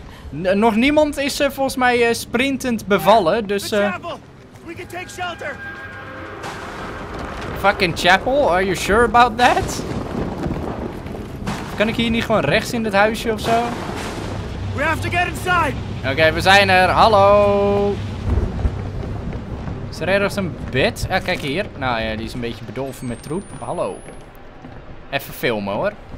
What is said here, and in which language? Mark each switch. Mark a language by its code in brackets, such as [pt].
[nl] Nog niemand is volgens mij sprintend bevallen, dus... [en] We can take shelter. Fucking chapel, are you sure about that? [nl] Kan ik hier niet gewoon rechts in dit huisje of zo? [en] We have to get inside. [nl] Oké, we zijn er. Hallo. Is er ergens een bed? Ah, kijk hier. Nou ja, die is een beetje bedolven met troep. Hallo. Even filmen hoor.